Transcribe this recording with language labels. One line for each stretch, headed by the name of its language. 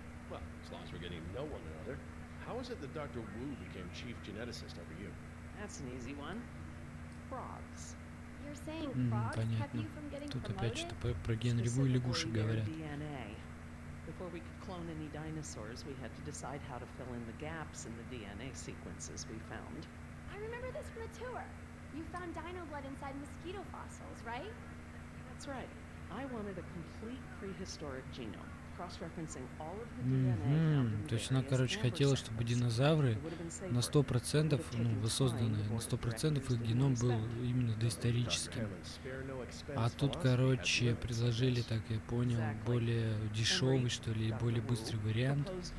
English: Well, as long as we're getting to know one another, how is it that Dr. Wu became chief geneticist over you? That's an easy one. Frogs. You're saying frogs kept you from getting promoted?
Russian: Тут опять про Генри Ву и лягушек говорят.
English: Before we could clone any dinosaurs, we had to decide how to fill in the gaps in the DNA sequences we found. I remember this from the tour. You found dino blood inside mosquito fossils, right? That's right. I wanted a complete prehistoric genome, cross-referencing all of the DNA found in the various dinosaur sequences.
Russian: Точно, короче, хотела, чтобы динозавры на 100%, ну, воссозданы, на 100% их геном был именно доисторическим. А тут, короче, предложили, так я понял, более дешевый, что ли, более быстрый вариант.